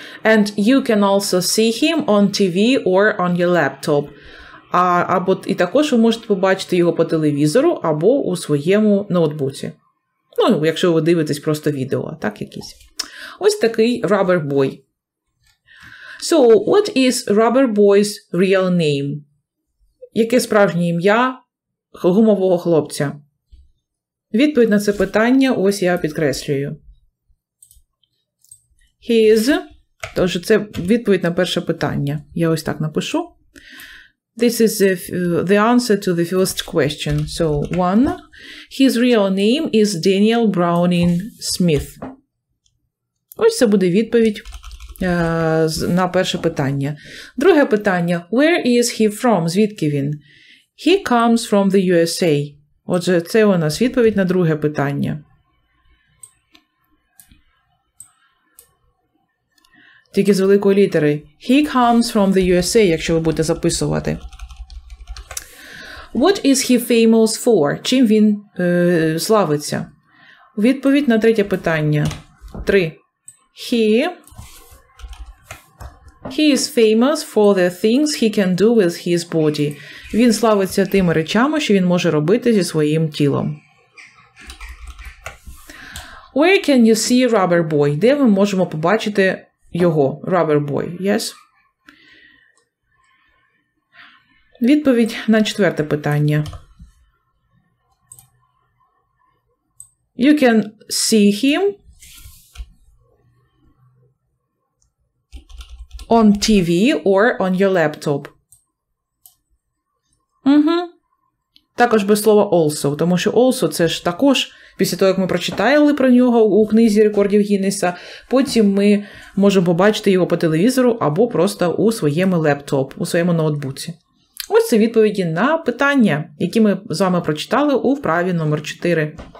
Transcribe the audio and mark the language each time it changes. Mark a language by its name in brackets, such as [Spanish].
[English] And you can also see him on TV or on your laptop. [Ukrainian] Або і також ви можете побачити його по телевізору або у своєму ноутбуці. Ну, якщо ви дивитесь просто відео, так, якісь. Ось такий [English] rubber boy. So, what is rubber boy's real name? [Ukrainian] Яке справжнє ім'я гумового хлопця? Відповідь на це питання ось я підкреслюю. [English] His. [Ukrainian] Тож це відповідь на перше питання. Я ось так напишу. [English] This is the answer to the first question. So, one, his real name is Daniel Browning Smith. [Ukrainian] Ось це буде відповідь на перше питання. Друге питання. [English] Where is he from? [Ukrainian] Звідки він? [English] He comes from the USA. [Ukrainian] Отже, це у нас відповідь на друге питання. Тільки з великої літери. [English] He comes from the USA, [Ukrainian] якщо ви будете записувати. [English] What is he famous for? [Ukrainian] Чим він славиться? Відповідь на третє питання. Три. [English] He is famous for the things he can do with his body. [Ukrainian] Він славиться тими речами, що він може робити зі своїм тілом. [English] Where can you see rubber boy? [Ukrainian] Де ми можемо побачити його, [English] rubber boy? Yes? [Ukrainian] Відповідь на четверте питання. [English] You can see him on TV or on your laptop. [Ukrainian] Також без слова also, тому що also це ж також, після того, як ми прочитали про нього у книзі рекордів Гіннеса, потім ми можемо побачити його по телевізору або просто у своєму лептоп, у своєму ноутбуці. Ось це відповіді на питання, які ми з вами прочитали у вправі номер 4.